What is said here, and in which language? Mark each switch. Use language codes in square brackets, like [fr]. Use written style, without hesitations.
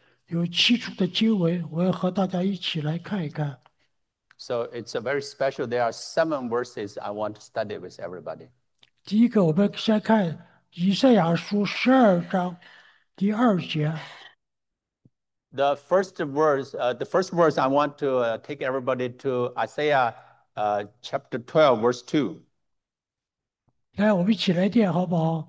[zh] 有七处的经文，我要和大家一起来看一看。 [en] So it's a very special. There are seven verses I want to study with everybody. [zh] 第一个，我们先看以赛亚书12章第2节。 [en] The first verse I want to take everybody to Isaiah chapter 12, verse 2. [zh] 来，我们一起来念，好不好？